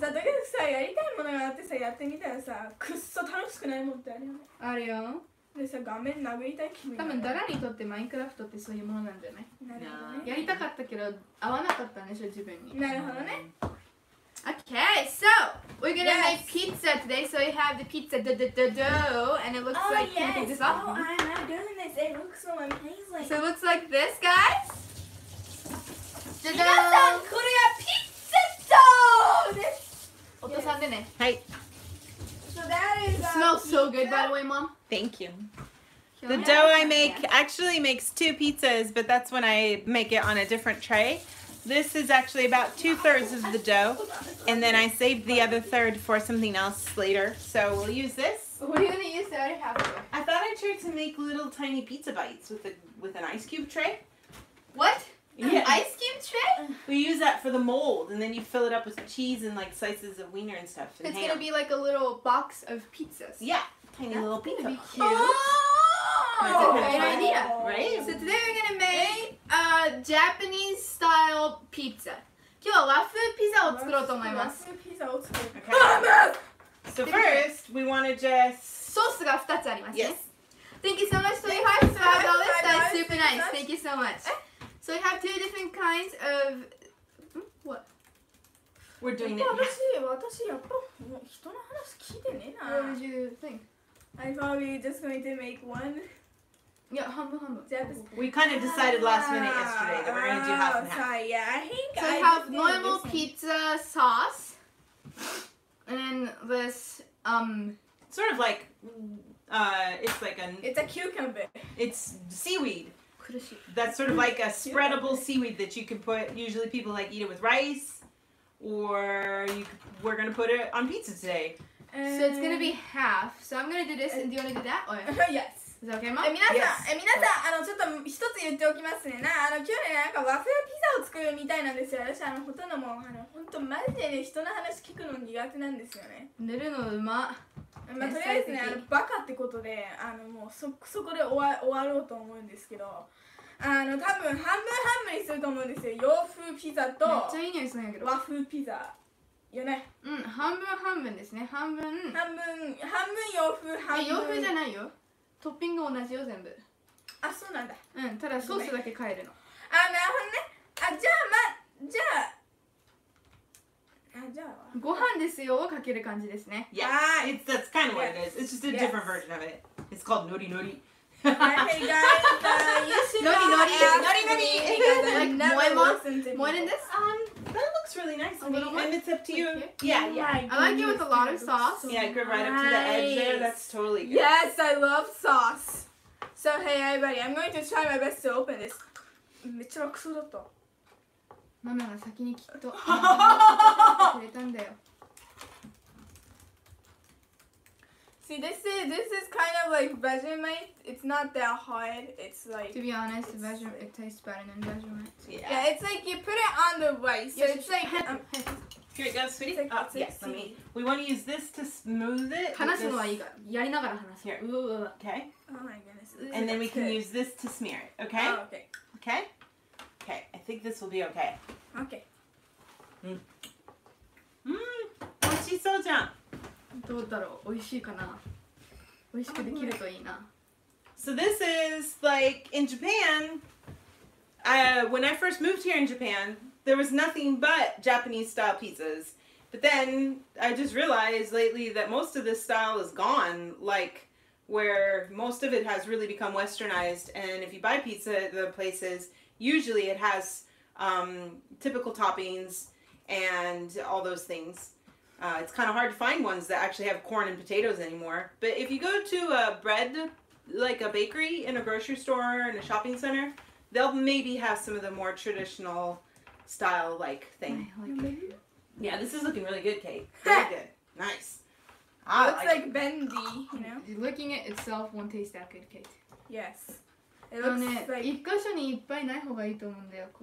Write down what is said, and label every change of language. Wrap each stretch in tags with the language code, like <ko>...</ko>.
<ja>さ、だけどさ、やりたいものがあってさ、やってみたらさ、くっそ楽しくないもんってあるよね。あるよ。でさ、画面殴りたい気分。多分ダラにとってマインクラフトってそういうものなんじゃない？なるほどね。やりたかったけど合わなかったんでしょ自分に。なるほどね。</ja> <en>Okay, so we're gonna make pizza today. So we have the pizza dough, and it looks like I'm doing this. It looks so amazing. So it looks like this, guys.</en> <ja>Da-da! 皆さん、これはピッツァ dough です。お父さんでね。はい。</ja> <en>So it smells so good, by the way, Mom. Thank you. The dough I make actually makes two pizzas, but that's when I make it on a different tray. This is actually about 2/3 of the dough, and then I saved the other third for something else later. So we'll use this. What are you going to use the other half for? amateur to make little tiny pizza bites with an ice cube tray. What? Yeah. Ice cube tray? We use that for the mold, and then you fill it up with cheese and like slices of wiener and stuff. And it's ham. Gonna be like a little box of pizzas. Yeah, tiny That's little pizza. That's gonna be cute. Oh! That's a great idea. Right? So today we're gonna make a Japanese style pizza.</en> <ja>今日は和風ピザを作ろうと思います。和風ピザを作る。</ja> <en>So first, we want to just...</en> <ja>ソースが2つありますね。</ja> <en>Yes. Thank you so much, sweetheart. So we have all this. That's super nice. Thank you so much. So we have two different kinds of... What? We're doing it.</en> <ja>私やっぱ人の話聞いてねえな。</ja> <en>What would you think? I'm probably just going to make one. Yeah, humble. We kind of decided last minute yesterday that we're going to do half and half. Sorry, yeah, I think so I we have normal pizza sauce, and then this, sort of like, it's like a... It's a cucumber. It's seaweed. That's sort of like a spreadable seaweed that you can put, usually people like eat it with rice, or we're going to put it on pizza today. So it's going to be half, so I'm going to do this, and do you want to do that, or? Yes. Okay,</en> <ja>え皆さん、yes. え皆さん、あのちょっと一つ言っておきますね。なあの今日ね、なんか和風ピザを作るみたいなんですよ。私あのほとんどもうあの本当マジで、ね、人の話聞くの苦手なんですよね。寝るのうま。まあ、とりあえずねあのバカってことで、あのもう そこで終わろうと思うんですけど、あの多分半分半分にすると思うんですよ。洋風ピザとめっちゃいい匂いするんやけど和風ピザ。よね。うん、半分半分ですね。半分。半分洋風半分。え洋風じゃないよ。トッピング同じよ全部。あ、そうなんだ。うん、ただソースだけ変えるの。あ、なるほどね。あ、じゃあまじゃあ、あ、じゃあ。ご飯ですよをかける感じですね。</ja> <en>Yeah, it's that's kind of what it is. It's just a different version of it. It's called nori nori. Hey guys, you should nori nori nori nori. More than this? That looks really nice. A little one. And it's up to you. Yeah. I like it with a lot of sauce. Yeah, it grew right up to the edge there. That's totally good. Yes, I love sauce. So, hey, everybody, I'm going to try my best to open this.</en> <ja>めっちゃ楽そうだった。ママが先にきっと入れたんだよ。</ja> <en>See, this is kind of like Vegemite. It's not that hard. It's like... To be honest, Vegemite, it tastes better than Vegemite. Yeah. Yeah, it's like you put it on the rice. So it's like... Here it goes, sweetie. Like, oh, yes, let me... We want to use this to smooth it.</en> <ja>話すのはいいか。やりながら話す。</ja> <en>Here. Okay. Oh my goodness. And then we can use this to smear it. Okay? Oh, okay. Okay? Okay. I think this will be okay. Okay.</en> <ja>Mmm. Mmm. Oishii so jan どうだろう、美味しいかな。美味しくできるといいな。</ja> <en>So this is like in Japan. When I first moved here in Japan, there was nothing but Japanese style pizzas. But then I just realized lately that most of this style is gone. Like where most of it has really become westernized. And if you buy pizza at the places, usually it has typical toppings and all those things. It's kind of hard to find ones that actually have corn and potatoes anymore. But if you go to a bread, like a bakery in a grocery store and a shopping center, they'll maybe have some of the more traditional style like thing. Yeah, this is looking really good, Kate. Really good. Nice. It looks like bendy, you know? Looking at itself won't taste that good, Kate. Yes. It looks like...</en> <ja>一箇所にいっぱいない方がいいと思うんだよ。</ja>